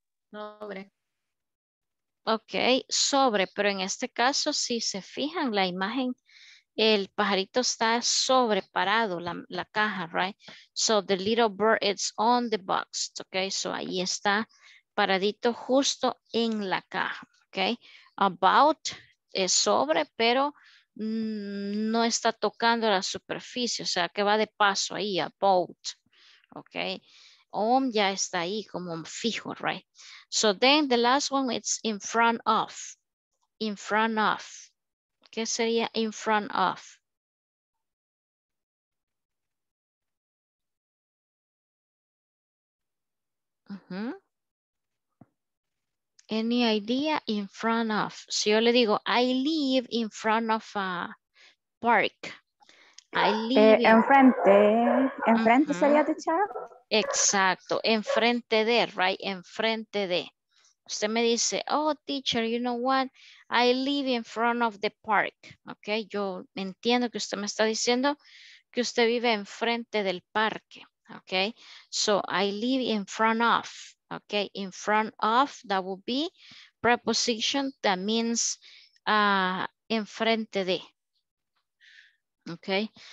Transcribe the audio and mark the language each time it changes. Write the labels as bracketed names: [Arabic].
[Spanish] Sobre. Okay, sobre, pero en este caso, si se fijan la imagen, el pajarito está sobreparado, la caja, [English] right? So the little bird is on the box, okay? [Spanish] So ahí está paradito justo en la caja, okay? About es sobre, pero no está tocando la superficie, o sea que va de paso ahí, about, okay? On ya está ahí como un fijo, [English] right? So then the last one, it's in front of, in front of. [Spanish] ¿Qué sería in front of? [English] Any idea in front of? [Spanish] Si yo le digo, [English] I live in front of a park. I live [Spanish] enfrente. Enfrente sería de char. Exacto. Enfrente de, [English] right? [Spanish] Enfrente de. Usted me dice, [English] oh, teacher, you know what? I live in front of the park, ok? [Spanish] Yo entiendo que usted me está diciendo que usted vive enfrente del parque, ok? [English] So, I live in front of, ok? In front of, that would be preposition that means [Spanish] enfrente de, [English] ok?